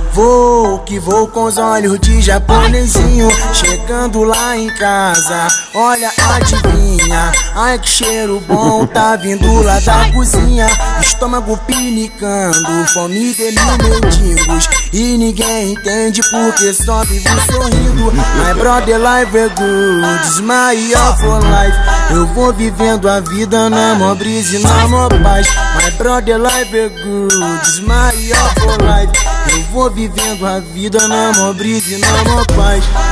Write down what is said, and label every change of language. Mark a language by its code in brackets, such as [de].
[pt] Vou que vou com os olhos de japonesinho. Chegando lá em casa, olha, adivinha. Ai, que cheiro bom, tá vindo lá da cozinha. Estômago pinicando, fome de mil mendigos. E ninguém entende porque só vivo sorrindo. [en] My brother, life is good, smile for life. [pt] Eu vou vivendo a vida na mó brisa e na mó paz. [en] My brother, life is good, smile for life. [pt] Eu vou vivendo a vida na mó brisa e na mó paz.